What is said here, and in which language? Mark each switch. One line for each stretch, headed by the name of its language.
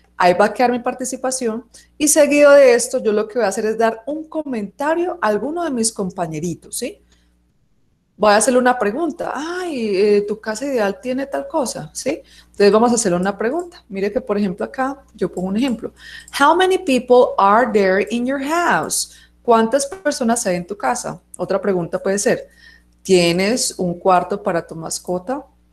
Spanish: Ahí va a quedar mi participación. Y seguido de esto, yo lo que voy a hacer es dar un comentario a alguno de mis compañeritos, ¿sí? Voy a hacerle una pregunta. Ay, tu casa ideal tiene tal cosa, ¿sí? Entonces vamos a hacerle una pregunta. Mire que, por ejemplo, acá yo pongo un ejemplo.
English: How many people are there in your house?
Spanish: ¿Cuántas personas hay en tu casa? Otra pregunta puede ser, ¿tienes un cuarto para tu mascota?